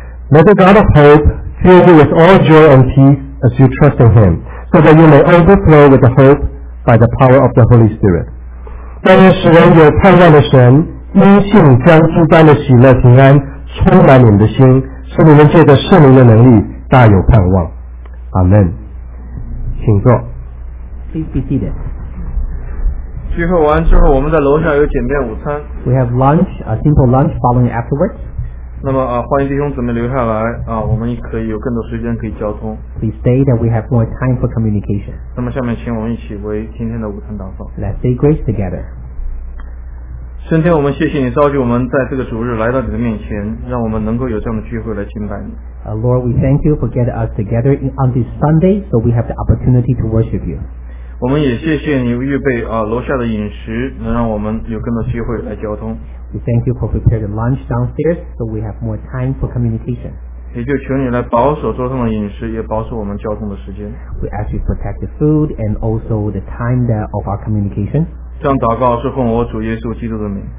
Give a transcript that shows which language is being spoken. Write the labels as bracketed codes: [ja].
[en] May the God of hope fill you with all joy and peace as you trust in Him, so that you may overflow with the hope by the power of the Holy Spirit. [zh] 但愿使人有盼望的神因信将诸般的喜乐平安充满你们的心，使你们借着圣灵的能力大有盼望。阿门。请坐。 [en] Please be seated. [zh] 聚会完之后，我们在楼下有简便午餐。 [en] We have lunch, a simple lunch following afterwards. [zh] 那么欢迎弟兄姊妹留下来我们可以有更多时间可以交通。 [en] Please stay that we have more time for communication. [zh] 那么下面请我们一起为今天的午餐祷告。 [en] Let's say grace together. [zh] 今天我们谢谢你召集我们在这个主日来到你的面前，让我们能够有这样的聚会来敬拜你。 [en] Lord, we thank you for getting us together on this Sunday, so we have the opportunity to worship you. [zh] 我们也谢谢你预备楼下的饮食，能让我们有更多机会来交通。 [en] We thank you for preparing lunch downstairs, so we have more time for communication. [zh] 也就求你来保守桌上的饮食，也保守我们交通的时间。 [en] We ask you to protect the food and also the time that of our communication. [zh] 这样祷告是奉我主耶稣基督的名。